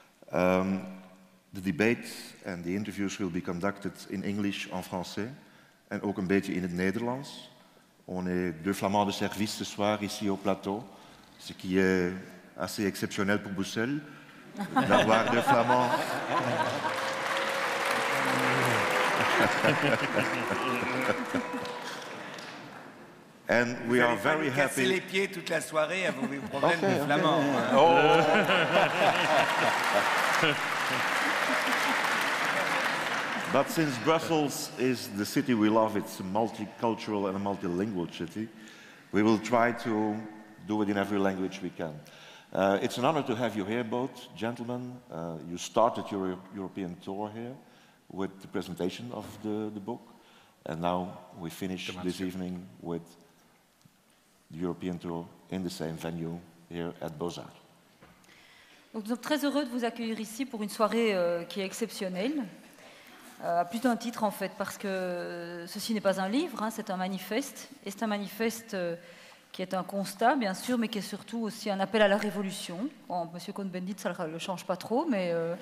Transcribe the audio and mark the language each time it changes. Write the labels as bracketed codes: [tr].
[en] The debate and the interviews will be conducted in English, [fr] en français, [en] and [nl] ook een beetje in het Nederlands. [fr] On est deux flamands de service ce soir ici au plateau, ce qui est assez exceptionnel pour Bruxelles, d'avoir deux flamands. [en] And we are very happy. [fr] Les pieds toute la soirée à vos problèmes de flamand. [en] But since Brussels is the city we love, it's a multicultural and a multilingual city, we will try to do it in every language we can. It's an honor to have you here, both gentlemen. You started your European tour here with the presentation of the book, and now we finish this evening with the European tour in the same venue here at Beaux-Arts. [fr] Donc, nous sommes très heureux de vous accueillir ici pour une soirée qui est exceptionnelle, à plus d'un titre en fait, parce que ceci n'est pas un livre, c'est un manifeste, et c'est un manifeste qui est un constat bien sûr, mais qui est surtout aussi un appel à la révolution. Bon, Monsieur Cohn-Bendit, ça ne le change pas trop, mais...